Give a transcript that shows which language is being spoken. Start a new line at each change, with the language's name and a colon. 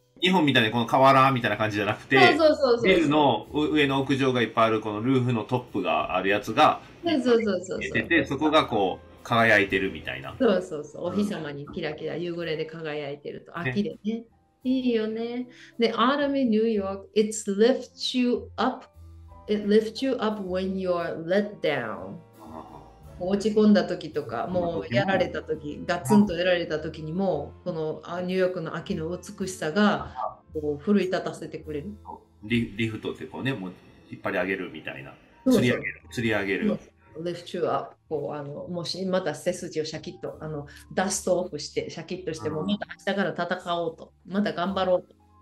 Japanese: 日本みたいにこの瓦みたいな感じじゃなくて、そうビルの上の屋上がいっぱいあるこのルーフのトップがあるやつが見えてて、そこがこう輝いてるみたいな。そう、お日様にキラキラ夕暮れで輝いてると、秋でね、いいよね。で、アルミニューヨーク、
English: It's lifts you up, it lifts you up when you're let down。
Japanese: 落ち込んだ時とか、もうやられた時、ガツンとやられた時にも、このニューヨークの秋の美しさがこう奮い立たせてくれる。リフトってこうね、もう引っ張り上げるみたいな、釣り上げる。
English: Lift you up、
Japanese: こう、あの、もしまた背筋をシャキッと、あの、ダストオフしてシャキッとしても、また明日から戦おうと、また頑張ろうと